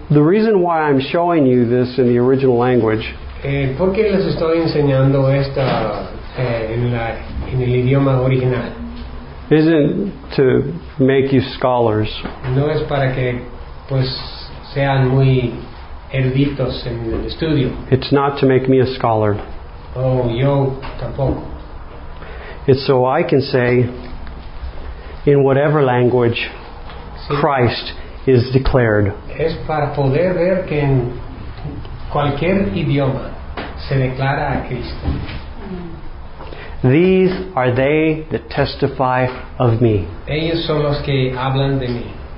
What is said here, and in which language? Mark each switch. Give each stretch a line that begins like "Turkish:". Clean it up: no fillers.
English: The reason why I'm showing you this in the original language.
Spanish: ¿Por qué les estoy enseñando esta en el idioma original?
English: Isn't to make you scholars.
Spanish: No es para que pues sean muy eruditos en el estudio.
English: It's not to make me a scholar.
Spanish: Oh, yo tampoco.
English: It's so I can say, in whatever language, sí. Christ is declared.
Spanish: Es para poder ver que en cualquier idioma se declara a Cristo.
English: These are they that testify of me.
Spanish: Ellos son los que hablan de mí.